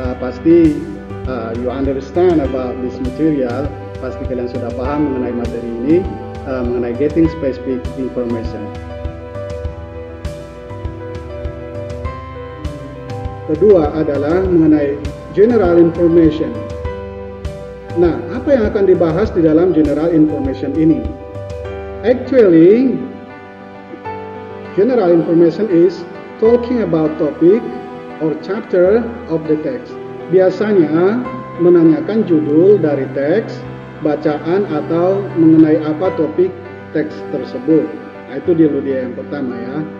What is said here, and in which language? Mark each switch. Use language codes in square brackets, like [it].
[id] Pasti [en] you understand about this material, [id] pasti kalian sudah paham mengenai materi ini, mengenai getting specific information. Kedua adalah mengenai general information. Nah, apa yang akan dibahas di dalam general information ini? [en] Actually, general information is talking about topic or chapter of the text. [id] Biasanya menanyakan judul dari teks, bacaan atau mengenai apa topik teks tersebut. Nah, itu dia yang pertama ya.